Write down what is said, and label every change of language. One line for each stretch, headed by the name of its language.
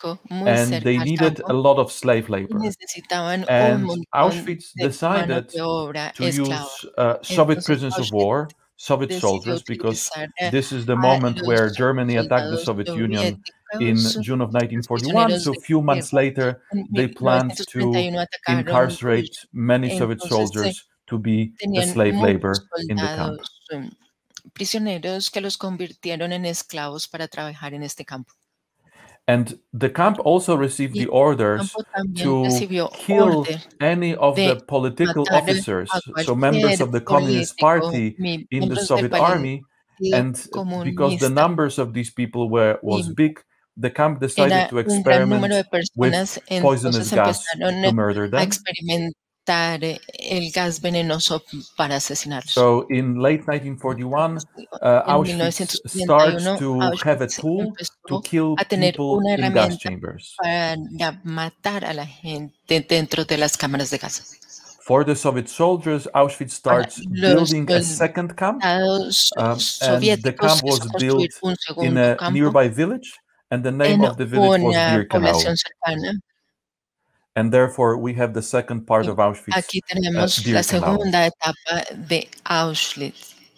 English: And they needed a lot of slave labor. And Auschwitz decided to use Soviet prisoners of war, Soviet soldiers, because this is the moment where Germany attacked the Soviet Union in June of 1941. So a few months later, they planned to incarcerate many Soviet soldiers to be the slave labor in the camp.
Spanish: Prisioneros que los convirtieron en esclavos para trabajar en este campo.
English: And the camp also received the orders to kill any of the political officers, so members of the Communist Party in the Soviet Army. And because the numbers of these people was big, the camp decided to experiment with poisonous gas to murder them.
Spanish: El gas venenoso para asesinarlos.
English: So in late 1941, Auschwitz starts to have a tool to kill people in gas chambers.
Spanish: Para matar a la gente dentro de las cámaras de gas.
English: For the Soviet soldiers, Auschwitz starts building a second camp, and the camp was built in a nearby village, and the name of the village was Birkenau. And therefore, we have the second part of Auschwitz.
Spanish: Aquí tenemos la segunda etapa de Auschwitz.